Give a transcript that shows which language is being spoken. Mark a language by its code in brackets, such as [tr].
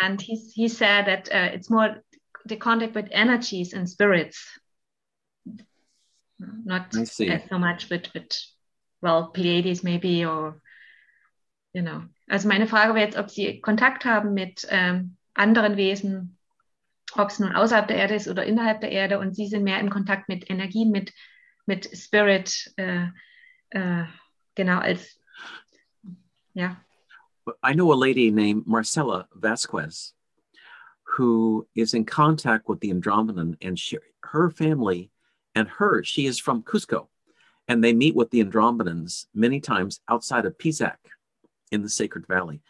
[en] And he said that it's more the contact with energies and spirits, not so much with Pleiades maybe, or, you know. [de] Also meine Frage war jetzt, ob sie Kontakt haben mit anderen Wesen, ob es nun außerhalb der Erde ist oder innerhalb der Erde und sie sind mehr in Kontakt mit Energie, mit Spirit, genau, als, ja. [en] I know a lady named Marcela Vasquez, who is in contact with the Andromedan, and her family and she is from Cusco, and they meet with the Andromedans many times outside of Pisac in the Sacred Valley.